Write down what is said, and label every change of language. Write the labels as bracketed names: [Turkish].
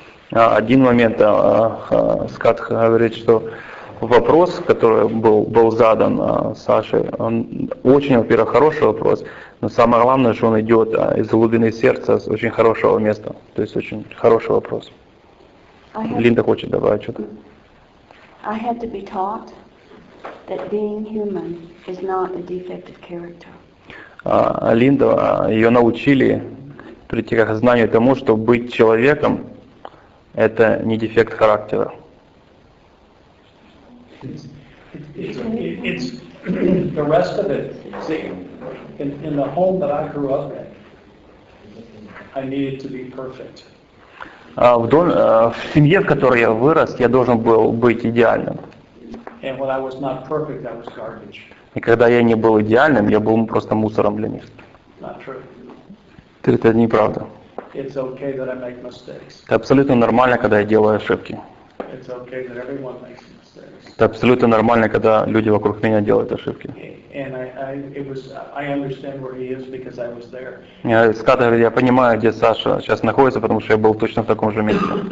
[Russian] Один момент, Скат говорит, что вопрос, который был задан Саше, он очень, во-первых, хороший вопрос, но самое главное, что он идет из глубины сердца, с очень хорошего места. То есть очень хороший вопрос. Линда хочет добавить что-то. [English] I had to be taught that being human is not a defect of character. [Russian] Линда, ее научили прийти к знанию тому, что быть человеком — это не дефект характера. [English] It's the rest of it. See, in the home that I grew up in, I needed to be perfect. [Russian] В семье, в которой я вырос, я должен был быть идеальным. [English] And when I was not perfect, I was garbage. [Russian] И когда я не был идеальным, я был просто мусором для них. [English] Not true. [Russian] Это неправда. [English] It's okay that I make mistakes. [Russian] Это абсолютно нормально, когда я делаю ошибки. [English] It's okay that everyone makes mistakes. [Russian] Это абсолютно нормально, когда люди вокруг меня делают ошибки. Скат говорит, я понимаю, где Саша сейчас находится, потому что я был точно в таком же месте.